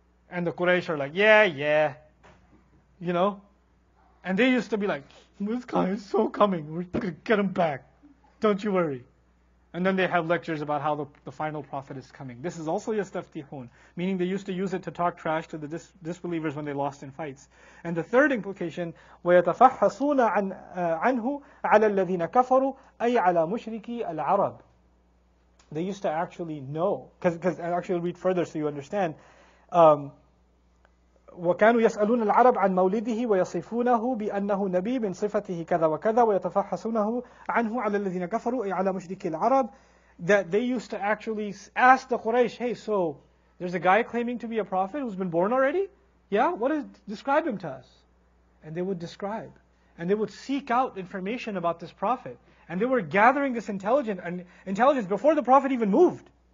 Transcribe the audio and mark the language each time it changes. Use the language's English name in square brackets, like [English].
[English] And the Quraysh are like, yeah, yeah. You know? And they used to be like, this guy is so coming. We're going to get him back. Don't you worry. And then they have lectures about how the final prophet is coming. This is also yastaftihun, meaning they used to use it to talk trash to the disbelievers when they lost in fights. And the third implication, [Arabic] وَيَتَفَحَّصُونَ عَنْهُ عَلَى الَّذِينَ كَفَرُوا أَيْ عَلَى مُشْرِكِي الْعَرَبِ. [English] They used to actually know, because I'll actually read further so you understand. وكانوا يسألون العرب عن مولده ويصفونه بأنه نبي من صفته كذا وكذا ويتفحصونه عنه على الذين كفروا أي على مشركي العرب. That they used to actually ask the Quraysh, hey, so there's a guy claiming to be a prophet who's been born already? Yeah, what is, describe him to us. And they would describe. And they would seek out information about this prophet. And they were gathering this intelligence before the prophet even moved.